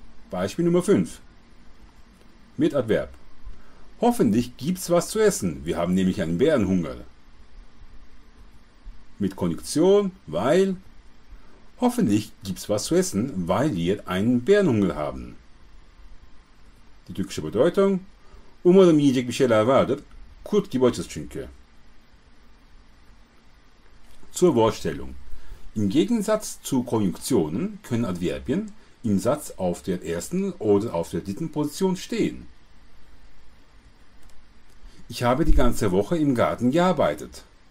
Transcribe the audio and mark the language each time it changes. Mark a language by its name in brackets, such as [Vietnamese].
[German] Beispiel Nummer 5 mit Adverb: Hoffentlich gibt's was zu essen, wir haben nämlich einen Bärenhunger. Mit Konjunktion: weil. Hoffentlich gibt's was zu essen, weil wir einen Bärenhunger haben. Die türkische Bedeutung: [Turkish] Umarım yiyecek bir şeyler vardır. Kurt gibi açız çünkü. [German] Zur Wortstellung: Im Gegensatz zu Konjunktionen können Adverbien im Satz auf der ersten oder auf der dritten Position stehen. Ich habe die ganze Woche im Garten gearbeitet.